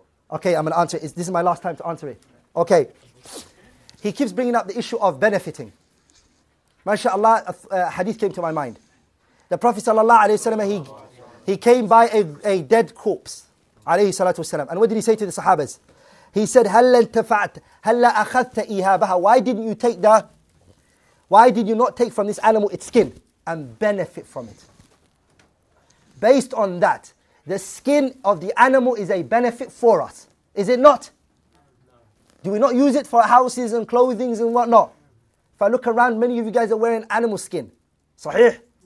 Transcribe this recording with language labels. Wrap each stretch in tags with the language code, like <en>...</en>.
<en>Okay, I'm going to answer it. This is my last time to answer it. Okay. He keeps bringing up the issue of benefiting. MashaAllah, a hadith came to my mind. The Prophet sallallahu alayhi wa sallam, he came by a dead corpse, alayhi salatu wa sallam. And what did he say to the sahabas?</en> <ar>He said, هَلَّا انْتَفَعْتْ هَلَّا أَخَذْتَ إِهَابَهَا.</ar> <en>Why didn't you take the... Why did you not take from this animal its skin and benefit from it? Based on that, the skin of the animal is a benefit for us. Is it not? No. Do we not use it for houses and clothing and whatnot? If I look around, many of you guys are wearing animal skin. Sahih?</en>